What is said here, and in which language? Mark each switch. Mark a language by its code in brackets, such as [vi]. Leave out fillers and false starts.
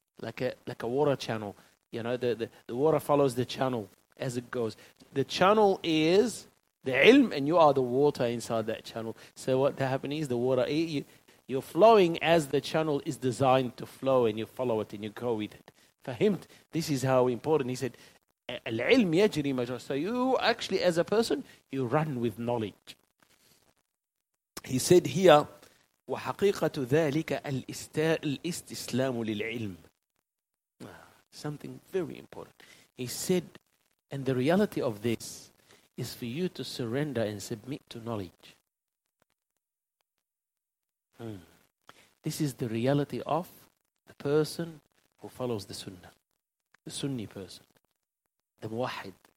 [en] like a water channel. You know, the water follows the channel as it goes. The channel is the ilm, and you are the water inside that channel. So what happens is the water, you're flowing as the channel is designed to flow, and you follow it and you go with it. Fahimt, this is how important. He said, [ar] العلم يجري مجرى. [en] So you actually, as a person, you run with knowledge. He said here, [ar] وحقيقة ذلك الاستسلام للعلم. [en] Something very important. He said, and the reality of this is for you to surrender and submit to knowledge. This is the reality of the person who follows the Sunnah, the Sunni person, the Muwahid.